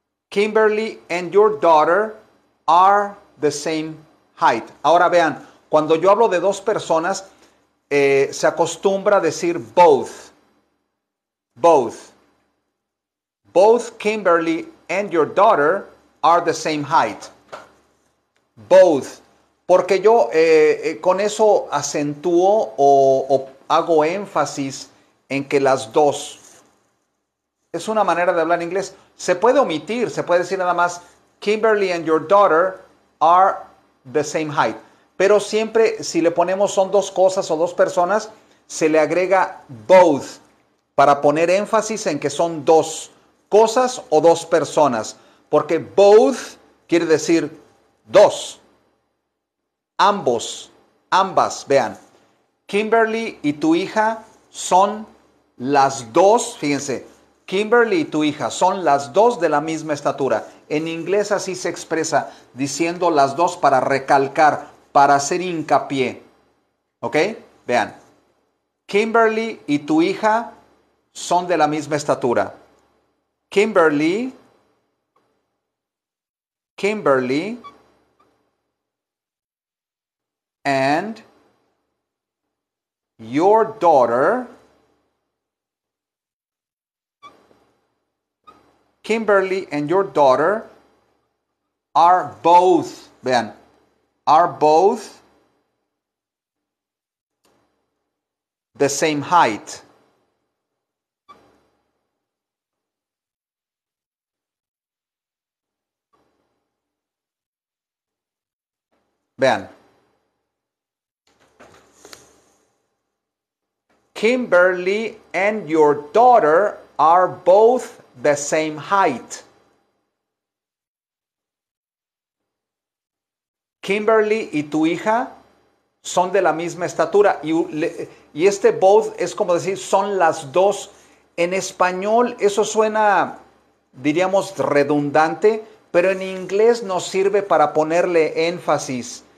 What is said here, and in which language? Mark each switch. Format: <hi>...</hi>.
<en>Kimberly and your daughter are the same height.</en> <es>Ahora vean, cuando yo hablo de dos personas, se acostumbra a decir both.</es> <en>Both. Both Kimberly and your daughter are the same height. Both.</en> <es>Porque yo con eso acentúo o hago énfasis en que las dos. Es una manera de hablar inglés. Se puede omitir, se puede decir nada más</es> <en>Kimberly and your daughter are the same height.</en> <es>Pero siempre si le ponemos son dos cosas o dos personas, se le agrega both para poner énfasis en que son dos cosas o dos personas, porque both quiere decir dos, ambos, ambas. Vean, Kimberly y tu hija son las dos, fíjense, Kimberly y tu hija son las dos de la misma estatura. En inglés así se expresa, diciendo las dos para recalcar, para hacer hincapié. ¿Ok? Vean, Kimberly y tu hija son de la misma estatura.</es> <en>Kimberly and your daughter, Kimberly and your daughter are both, Ben, are both the same height.</en> <es>Vean.</es> <en>Kimberly and your daughter are both the same height.</en> <es>Kimberly y tu hija son de la misma estatura. Y este both es como decir son las dos. En español eso suena, diríamos, redundante. Pero en inglés nos sirve para ponerle énfasis.</es>